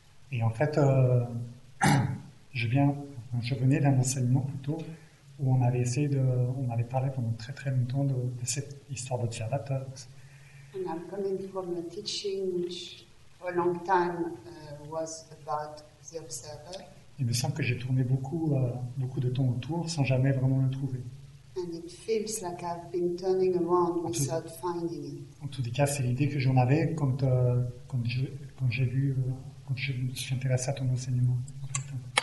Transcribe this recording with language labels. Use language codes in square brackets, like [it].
[fr] Et en fait, je venais d'un enseignement plutôt où on avait essayé de, on avait parlé pendant très très longtemps de cette histoire d'observateur. [en] And I'm coming from a teaching which for a long time was about the observer. [fr] Il me semble que j'ai tourné beaucoup de temps autour sans jamais vraiment le trouver. [en] And it feels like I've been turning around without finding it. [fr] En tous les cas, c'est l'idée que j'en avais quand je me suis intéressé à ton enseignement. En fait.